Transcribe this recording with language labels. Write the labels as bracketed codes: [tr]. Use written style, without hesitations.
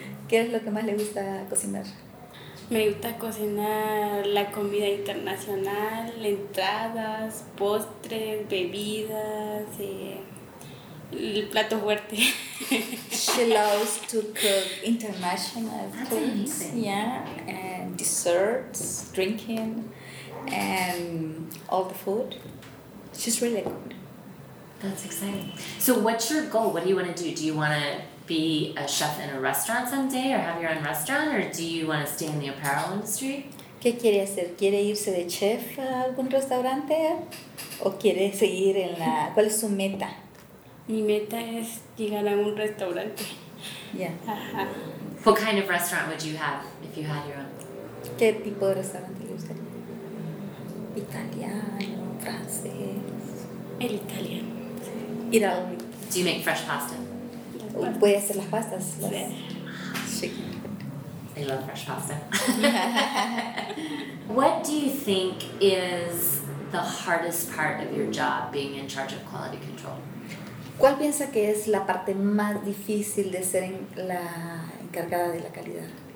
[es] ¿Qué es lo que más le gusta cocinar? Me gusta cocinar la comida internacional, entradas, postres, bebidas, el plato fuerte. [en] She loves to cook international foods. Yeah, and desserts, drinking, and all the food. She's really good. That's exciting. So what's your goal? What do you want to do? Do you want to be a chef in a restaurant someday or have your own restaurant, or do you want to stay in the apparel industry? [es] ¿Qué quiere hacer? ¿Quiere irse de chef a algún restaurante o quiere seguir en la... ¿Cuál es su meta? Mi meta es llegar a un restaurante. [en] Yeah. What kind of restaurant would you have if you had your own? [es] ¿Qué tipo de restaurante le gustaría? Italiano, francés. El italiano. Sí. Ir a un... [en] Do you make fresh pasta? [es] Puede hacer las pastas. Las... [en] Sí. I love fresh pasta. What do you think is the hardest part of your job, being in charge of quality control? [es] ¿Cuál piensa que es la parte más difícil de ser en la encargada de la calidad?